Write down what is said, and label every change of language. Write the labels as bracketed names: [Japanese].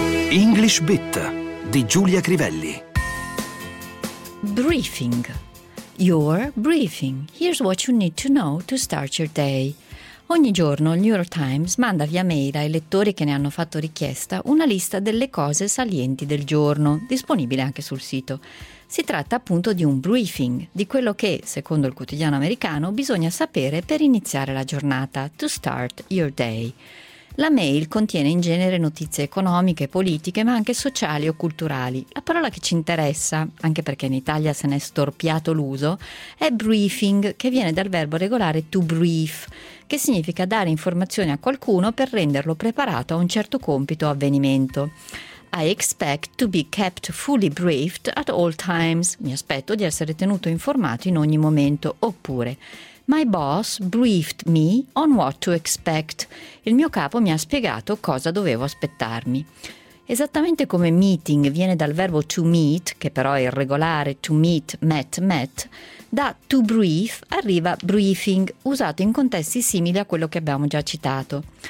[Italian] English Bit di Giulia Crivelli. [English] Briefing. Your briefing. Here's what you need to know to start your day. [Italian] Ogni giorno il New York Times manda via mail ai lettori che ne hanno fatto richiesta una lista delle cose salienti del giorno, disponibile anche sul sito. Si tratta appunto di un briefing, di quello che, secondo il quotidiano americano, bisogna sapere per iniziare la giornata, [English] to start your day. [Italian] La mail contiene in genere notizie economiche, politiche, ma anche sociali o culturali. La parola che ci interessa, anche perché in Italia se n'è storpiato l'uso, è briefing, che viene dal verbo regolare to brief, che significa dare informazioni a qualcuno per renderlo preparato a un certo compito o avvenimento. [English] I expect to be kept fully briefed at all times. [Italian] Mi aspetto di essere tenuto informato in ogni momento, oppure [English] my boss briefed me on what to expect. [Italian] Il mio capo mi ha spiegato cosa dovevo aspettarmi. Esattamente come meeting viene dal verbo to meet, che però è irregolare, to meet, met, da to brief arriva briefing, usato in contesti simili a quello che abbiamo già citato.